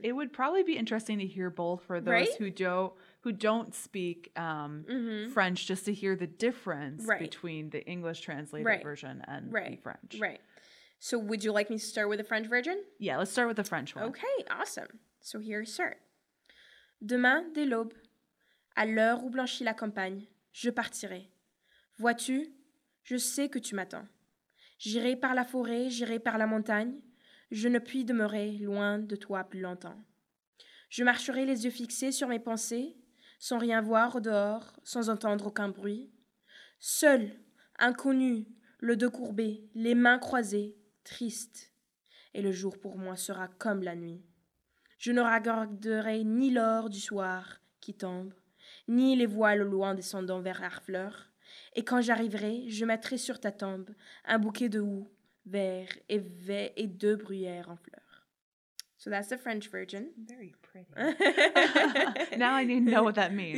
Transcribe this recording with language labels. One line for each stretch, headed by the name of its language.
English: It would probably be interesting to hear both for those who don't speak French, just to hear the difference between the English translated version and the French. Right. So would you like me to start with the French version? Yeah, let's start with the French one. Okay, awesome. So here we start.
French: Demain, dès l'aube, à l'heure où blanchit la campagne, je partirai. Vois-tu, je sais que tu m'attends. J'irai par la forêt, j'irai par la montagne. Je ne puis demeurer loin de toi plus longtemps. Je marcherai les yeux fixés sur mes pensées, sans rien voir au dehors, sans entendre aucun bruit. Seul, inconnu, le dos courbé, les mains croisées, triste. Et le jour pour moi sera comme la nuit. Je ne regarderai ni l'or du soir qui tombe, ni les voiles au loin descendant vers Harfleur. Et quand j'arriverai, je mettrai sur ta tombe un bouquet de houx, vert et vert et deux bruyères en fleurs.
English: So that's the French version. Very pretty. Now I need to know what that means.